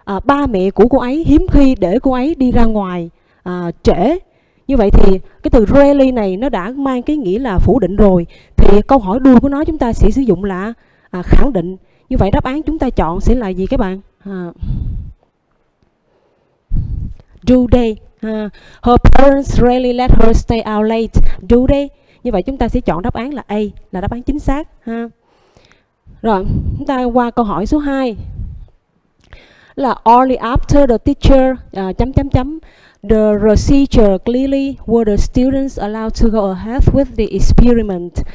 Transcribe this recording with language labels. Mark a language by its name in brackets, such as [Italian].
[Vietnamese] Ba mẹ của cô ấy hiếm khi để cô ấy đi ra ngoài trễ. Như vậy thì cái từ rarely này nó đã mang cái nghĩa là phủ định rồi thì câu hỏi đuôi của nó chúng ta sẽ sử dụng là khẳng định. Như vậy đáp án chúng ta chọn sẽ là gì các bạn? [English] Do they? Her parents really let her stay out late. Do they? [Vietnamese] Như vậy chúng ta sẽ chọn đáp án là A là đáp án chính xác ha. Rồi, chúng ta qua câu hỏi số 2 là [English] only after the teacher [Vietnamese] chấm chấm chấm [English] the procedure clearly were the students allowed to go ahead with the experiment.